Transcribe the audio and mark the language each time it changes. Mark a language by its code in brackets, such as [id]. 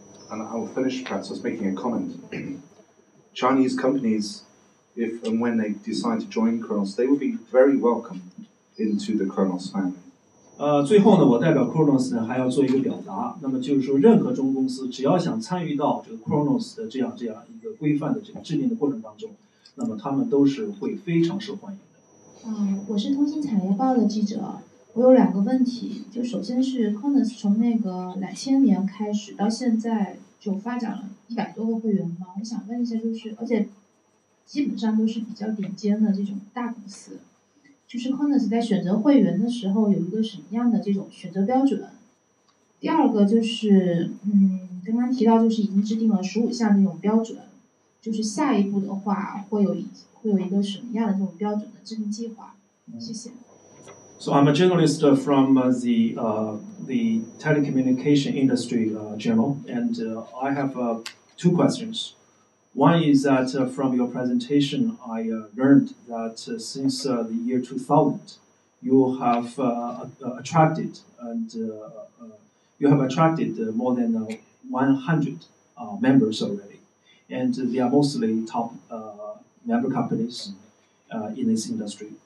[en] And I will finish perhaps just making a comment. Chinese companies, if and when they decide to join Khronos, they will be very welcome into the Khronos family. [zh] 最后呢，我代表 Khronos 呢还要做一个表达。那么就是说，任何中公司只要想参与到这个 Khronos 的这样一个规范的这个制定的过程当中，那么他们都是会非常受欢迎的。我是通信产业报的记者，我有两个问题。就首先是 Khronos 从那个2000年开始到现在，就发展了100多个会员嘛。我想问一下，就是而且基本上都是比较顶尖的这种大公司。就是 Khronos 在选择会员的时候有一个什么样的这种选择标准？第二个就是，刚刚提到就是已经制定了15项这种标准，就是下一步的话会有一个什么样的这种标准的制定计划？谢谢。 [en] So I'm a journalist from the telecommunication industry journal, and I have two questions. One is that from your presentation, I learned that since the year 2000, you have attracted more than 100 members already, and they are mostly top member companies in this industry.